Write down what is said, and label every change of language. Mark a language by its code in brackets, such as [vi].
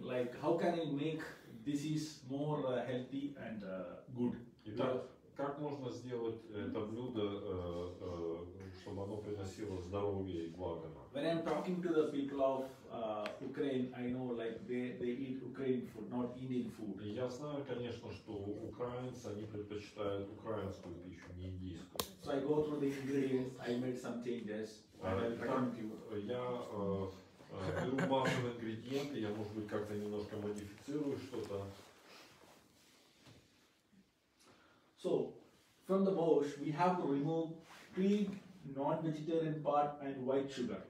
[en] Like, how can I make this is more healthy and good? [ru] Итак, как можно сделать это блюдо, чтобы оно приносило здоровье и благо? [en] When I'm talking to the people of Ukraine, I know they eat Ukrainian food, not Indian food. [ru] Я знаю, конечно, что украинцы они предпочитают украинскую пищу, не индийскую. [en] So I go through the ingredients, I made some changes. [ru] Я беру базовые ингредиенты, я может быть как-то немножко модифицирую что-то. [en] So from the borscht we have to remove clean non-vegetarian part and white sugar.